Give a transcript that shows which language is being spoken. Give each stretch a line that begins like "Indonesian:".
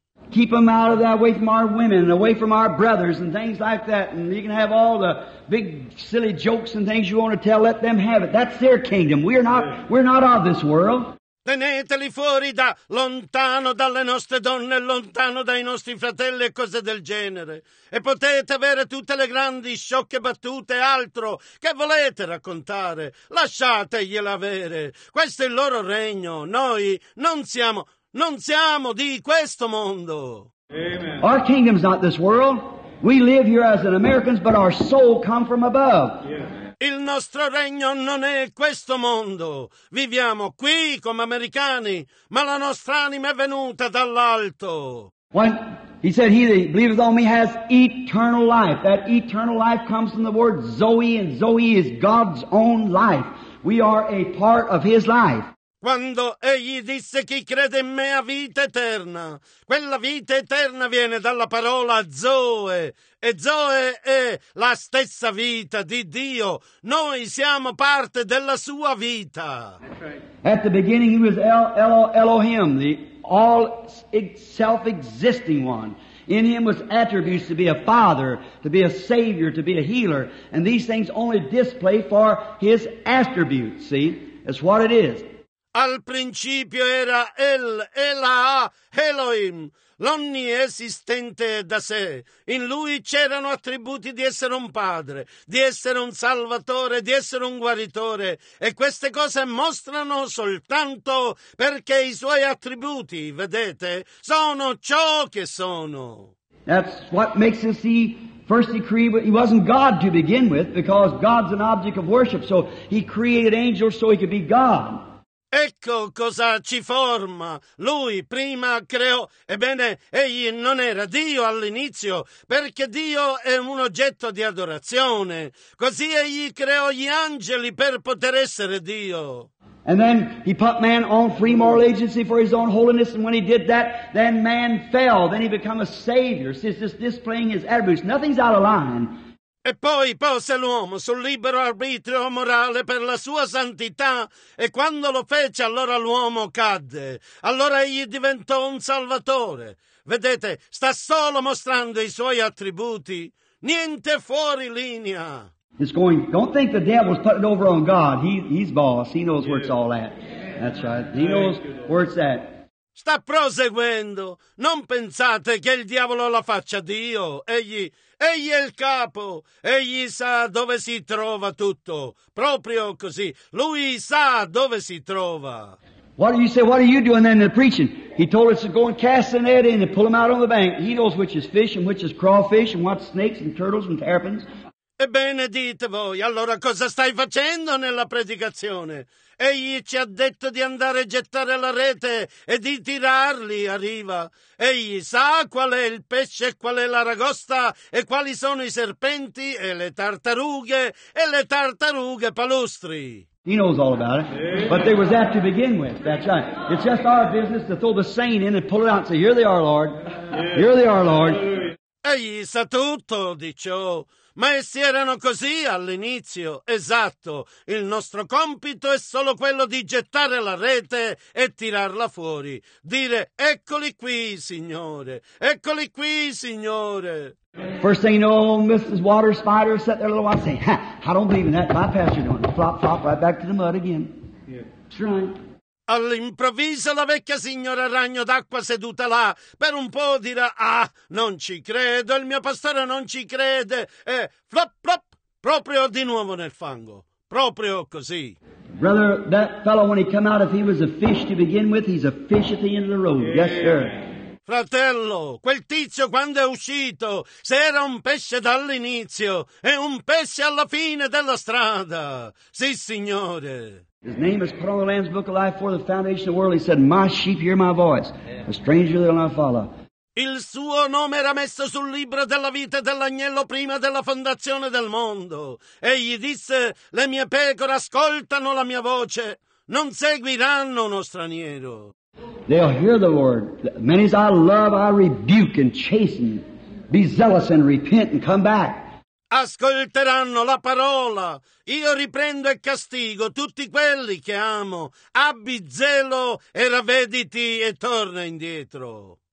English: Keep them out of that, away from our women and away from our brothers and things like that. And you can have all the big silly jokes and things you want to tell. Let them have it. That's their kingdom. We're not of this world.
Italian: Teneteli fuori da lontano dalle nostre donne, lontano dai nostri fratelli e cose del genere. E potete avere tutte le grandi sciocche battute e altro che volete raccontare. Lasciategliela avere. Questo è il loro regno. Noi non siamo di questo mondo.
English: Amen. Our kingdom's not this world. We live here as an Americans, but our soul come from above. Yeah.
Italian: Il nostro regno non è questo mondo. Viviamo qui come americani, ma la nostra anima è venuta dall'alto.
English: When he said, he that believeth on me has eternal life. That eternal life comes from the word Zoe, and Zoe is God's own life. We are a part of his life.
Italian: Quando egli disse, chi crede in me ha vita eterna. Quella vita eterna viene dalla parola Zoe. E Zoe è la stessa vita di Dio. Noi siamo parte della sua vita.
English: At the beginning he was Elohim, the all self-existing one. In him was attributes to be a father, to be a savior, to be a healer. And these things only display for his attributes. See, that's what it is.
Italian: Al principio era El, Elah, Elohim, l'onniesistente da sé. In lui c'erano attributi di essere un padre, di essere un salvatore, di essere un guaritore. E queste cose mostrano soltanto perché i suoi attributi, vedete, sono ciò che sono.
English: That's what makes us see. First he created, he wasn't God to begin with, because God's an object of worship, so he created angels so he could be God.
Italian: Ecco cosa ci forma. Lui prima creò, ebbene, egli non era Dio all'inizio, perché Dio è un oggetto di adorazione. Così egli creò gli angeli per poter essere Dio.
English: And then he put man on free moral agency for his own holiness, and when he did that, then man fell, then he became a savior. See, it's just displaying his attributes. Nothing's out of line.
Italian: E poi pose l'uomo sul libero arbitrio morale per la sua santità, e quando lo fece allora l'uomo cadde, allora egli diventò un salvatore. Vedete, sta solo mostrando i suoi attributi, niente fuori linea.
English: It's going, don't think the devil's putting it over on God, he's boss, he knows where it's all at, that's right, he knows where it's at.
Italian: Sta proseguendo. Non pensate che il diavolo la faccia Dio. Egli è il capo. Egli sa dove si trova tutto. Proprio così. Lui sa dove si trova.
English: What do you say? What are you doing then in the preaching? He told us to go and cast the net in and pull them out on the bank. He knows which is fish and which is crawfish and what's snakes and turtles and terrapins.
Italian: Ebbene, dite voi, allora cosa stai facendo nella predicazione? Egli ci ha detto di andare a gettare la rete e di tirarli a riva. Egli sa qual è il pesce e qual è l'aragosta e quali sono i serpenti e le tartarughe palustri.
English: He knows all about it. But they was that to begin with. That's right. It's just our business to throw the seine in and pull it out and say, here they are, Lord. Here they are, Lord.
Italian: Egli sa tutto di ciò. Ma essi erano così all'inizio, esatto. Il nostro compito è solo quello di gettare la rete e tirarla fuori. Dire, eccoli qui, Signore, eccoli qui, Signore.
English: First thing you know, Mrs. Water Spider sat there a little while saying, ha, I don't believe in that, my pastor doing it. Flop, flop, right back to the mud again. Yeah. That's right.
Italian: All'improvviso la vecchia signora ragno d'acqua seduta là per un po' dirà, ah, non ci credo, il mio pastore non ci crede, e flop flop, proprio di nuovo nel fango, proprio così.
English: Brother, that fellow when he come out, if he was a fish to begin with, he's a fish at the end of the road. Yeah. Yes sir.
Italian: Fratello, quel tizio quando è uscito, se era un pesce dall'inizio, è un pesce alla fine della strada. Sì signore.
English: His name is put on the Lamb's Book of Life for the foundation of the world. He said, my sheep hear my voice. A stranger they'll not follow.
Italian: Il suo nome era messo sul libro della vita dell'agnello prima della fondazione del mondo. Egli disse: le mie pecore ascoltano la mia voce, non seguiranno uno straniero.
English: They'll hear the word. Many as I love, I rebuke and chasten. Be zealous and repent and come back.
Italian: Ascolteranno la parola. Io riprendo e castigo tutti quelli che amo. Abbi zelo e ravvediti e torna indietro.